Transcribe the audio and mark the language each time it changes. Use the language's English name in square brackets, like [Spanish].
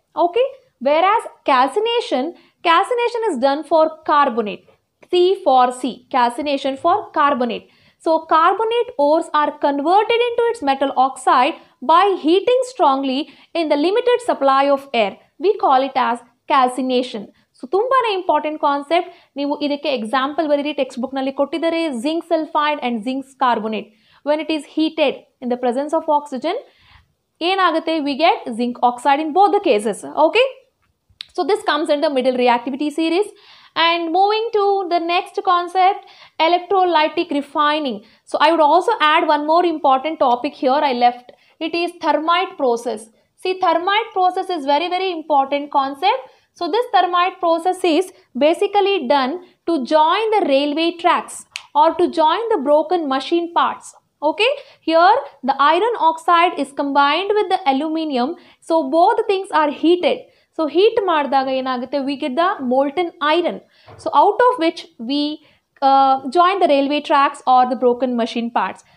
[English] Okay, whereas calcination is done for carbonate, C4C, calcination for carbonate. So carbonate ores are converted into its metal oxide by heating strongly in the limited supply of air, we call it as calcination. [Kannada] So ತುಂಬಾನೇ important concept. ನೀವು ಇದಕ್ಕೆ example ಬರೀ text book ನಲ್ಲಿ ಕೊಟ್ಟಿದ್ದಾರೆ, zinc sulphide and zinc carbonate. [English] when it is heated in the presence of oxygen [Kannada] ಏನಾಗುತ್ತೆ, [English] We get zinc oxide in both the cases. Okay, so this comes in the middle reactivity series. And moving to the next concept, electrolytic refining. So I would also add one more important topic here I left, it is thermite process. See thermite process is very, very important concept. So this thermite process is basically done to join the railway tracks or to join the broken machine parts. Okay, here the iron oxide is combined with the aluminium, so both things are heated. So [Kannada] heat madadaga enagutte, [English] we get the molten iron, so out of which we join the railway tracks or the broken machine parts.